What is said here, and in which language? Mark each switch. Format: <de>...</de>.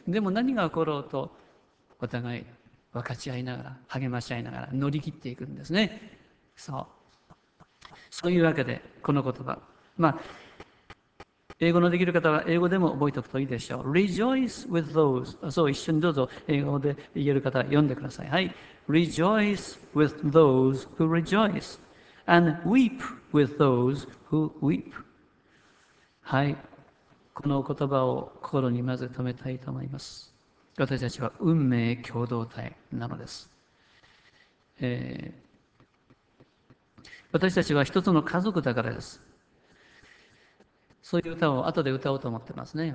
<ja>でも何が起ころうとお互い分かち合いながら、励まし合いながら乗り切っていくんですね。そう、そういうわけでこの言葉、まあ英語のできる方は英語でも覚えておくといいでしょう。</ja> <en>Rejoice with those.</en> <ja>そう、一緒にどうぞ英語で言える方は読んでください。はい。</ja> <en>Rejoice with those who rejoice and weep with those who weep.</en> <ja>はい。この言葉を心にまず留めたいと思います。私たちは運命共同体なのです。私たちは一つの家族だからです。そういう歌を後で歌おうと思ってますね。</ja>